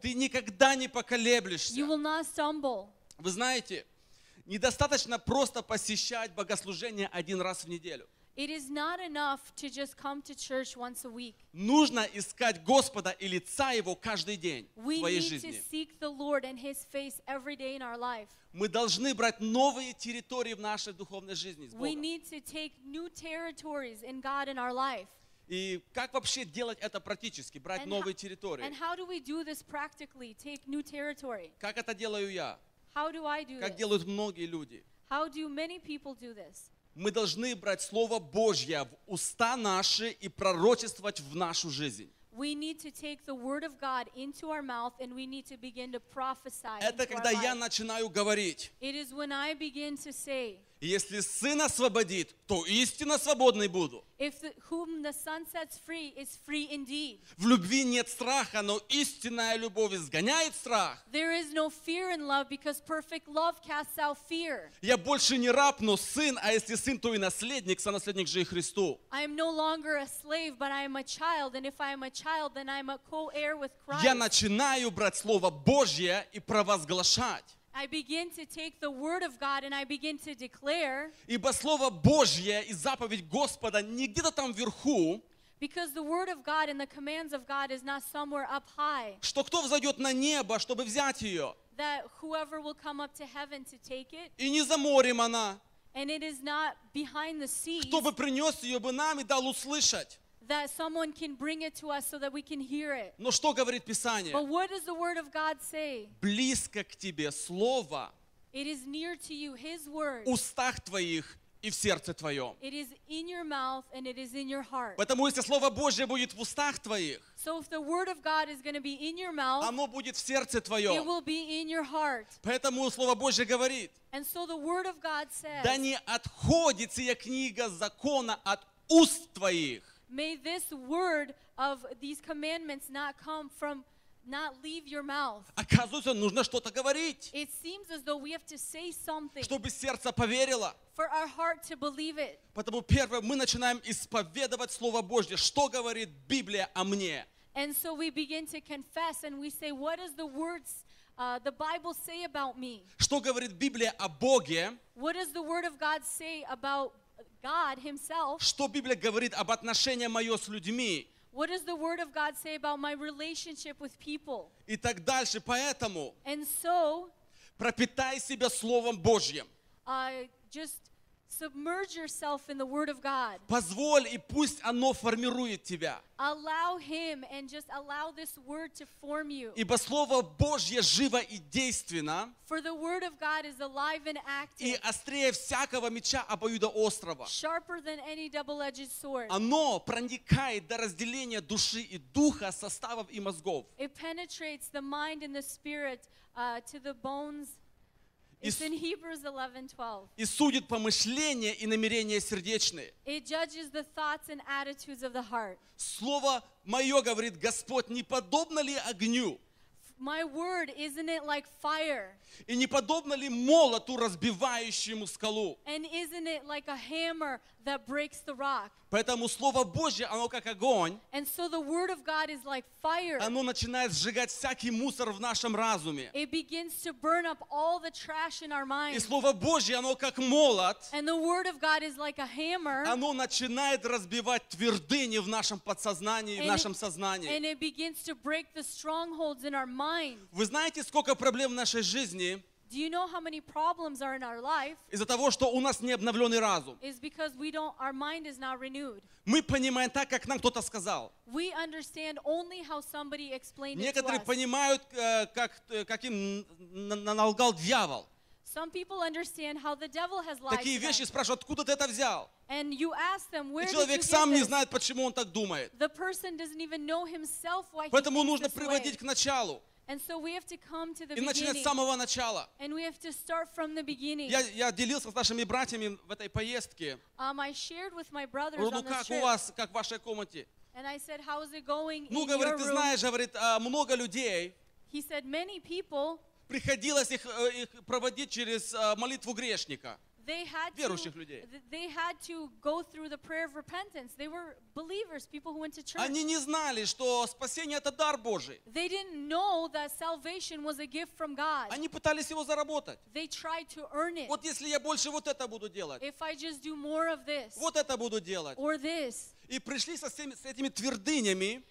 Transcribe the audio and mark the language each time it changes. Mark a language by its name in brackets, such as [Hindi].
[Russian] Ты никогда не поколеблешься. [English] You will not stumble. [Russian] Вы знаете, недостаточно просто посещать богослужение один раз в неделю. [English] It is not enough to just come to church once a week. [Russian] Нужно искать Господа и лица Его каждый день [English] we [Russian] в твоей жизни. [English] We need to seek the Lord and His face every day in our life. [Russian] Мы должны брать новые территории в нашей духовной жизни с Богом. [English] We need to take new territories in God in our life. [Russian] И как вообще делать это практически, брать [English] and [Russian] новые территории? [English] And how do we do this practically, take new territory? [Russian] Как это делаю я? [English] How do I do this? [Russian] Как делают многие люди? [English] How do many people do this? [Russian] Мы должны брать Слово Божье в уста наши и пророчествовать в нашу жизнь. [English] We need to take the word of God into our mouth and we need to begin to prophesy. [Russian] Это когда я начинаю говорить. [English] It is when I begin to say. [Russian] Если Сын освободит, то истинно свободный буду. [English] If whom the Son sets free is free indeed. [Russian] В любви нет страха, но истинная любовь изгоняет страх. [English] There is no fear in love because perfect love casts out fear. [Russian] Я больше не раб, но сын, а если сын, то и наследник, сонаследник же и Христу. [English] I am no longer a slave, but I am a child, and if I am a child, then I am a co-heir with Christ. [Russian] Я начинаю брать Слово Божье и провозглашать. [English] I begin to take the word of God and I begin to declare. [Russian] Ибо слово Божье и заповедь Господа не где-то там вверху. [English] Because the word of God and the commands of God is not somewhere up high. [Russian] Что кто взойдет на небо, чтобы взять ее? [English] That whoever will come up to heaven to take it. [Russian] И не за морем она. [English] And it is not behind the seas. [Russian] Кто бы принес ее бы нам и дал услышать? [English] That someone can bring it to us so that we can hear it. [Russian] Но что говорит Писание? [English] But what does the word of God say? [Russian] Близко к тебе слово. [English] It is near to you, His word. [Russian] Устах твоих и в сердце твоем. [English] It is in your mouth and it is in your heart. [Russian] Потому если слово Божье будет в устах твоих. [English] So if the word of God is going to be in your mouth. [Russian] Оно будет в сердце твоем. [English] It will be in your heart. [Russian] Поэтому слово Божье говорит. [English] And so the word of God says. [Russian] Да не отходит сия книга закона от уст твоих. [English] May this word of these commandments not come from, not leave your mouth. [Russian] Оказывается, нужно что-то говорить. [English] It seems as though we have to say something. [Russian] Чтобы сердце поверило. [English] For our heart to believe it. [Russian] Потому первое, мы начинаем исповедовать Слово Божье. Что говорит Библия о мне? [English] And so we begin to confess and we say, what does the words, the Bible say about me? [Russian] Что говорит Библия о Боге? [English] What does the word of God say about me? God himself. [Russian] Что Библия говорит об отношении моё с людьми? [English] What does the word of God say about my relationship with people? [Russian] И так дальше, поэтому. [English] And so, [Russian] пропитай себя словом Божьим. [English] Just submerge yourself in the word of God. [Russian] Позволь и пусть оно формирует тебя. [English] Allow him and just allow this word to form you. [Russian] Ибо слово Божье живо и действенно. [English] For the word of God is alive and active. [Russian] И острее всякого меча обоюдоострого. [English] Sharper than any double-edged sword. [Russian] Оно проникает до разделения души и духа, составов и мозгов. [English] It penetrates the mind and the spirit to the bones. It's in Hebrews 11:12. [Russian] И судит помышления и намерения сердечные. [English] It judges the thoughts and attitudes of the heart. [Russian] Слово мое говорит Господь, не подобно ли огню? [English] My word, isn't it like fire? [Russian] И не подобно ли молоту разбивающему скалу? [English] And isn't it like a hammer that breaks the rock? [Russian] Поэтому слово Божье, оно как огонь. [English] And so the word of God is like fire. [Russian] Оно начинает сжигать всякий мусор в нашем разуме. [English] It begins to burn up all the trash in our minds. [Russian] И слово Божье, оно как молот. [English] And the word of God is like a hammer. [Russian] Оно начинает разбивать твердыни в нашем подсознании, в нашем сознании. [English] And it begins to break the strongholds in our minds. [Russian] Вы знаете, сколько проблем в нашей жизни? [English] Do you know how many problems are in our life? [Russian] Из-за того, что у нас не обновленный разум. [English] Is because we don't, our mind is not renewed. [Russian] Мы понимаем так, как нам кто-то сказал. [English] We understand only how somebody explained it to us. [Russian] Некоторые понимают, как им налгал дьявол. [English] Some people understand how the devil has lied. [Russian] Такие вещи спрашивают, откуда ты это взял? [English] And you ask them, where did you get [Russian] Человек сам не знает, почему он так думает. [English] The person doesn't even know himself why he thinks this way. [Russian] Поэтому нужно приводить к началу. [English] And so we have to come to the [Russian] и [English] beginning. [Russian] И начинать с самого начала. [English] And we have to start from the beginning. [Russian] Я делился с нашими братьями в этой поездке. [English] I shared with my brothers on this trip. [Russian] У вас, как в вашей комнате? [English] And I said, how is it going [Russian] ну, [English] in [Russian] говорит, [English] your [Russian] ты [English] room? [Russian] Знаешь, говорит, много людей. [English] He said, many people. [Russian] Приходилось их проводить через молитву грешника. [English] They had [Russian] верующих [English] to, [Russian] людей. [English] They had to go through the prayer of repentance. They were believers, people who went to church. [Russian] Они не знали, что спасение это дар Божий. [English] They didn't know that salvation was a gift from God. [Russian] Они пытались его заработать. [English] They tried to earn it. [Russian] Вот если я больше вот это буду делать. [English] If I just do more of this. [Russian] Вот это буду делать. [English] Or this. [Russian] И пришли со всеми с этими твердынями.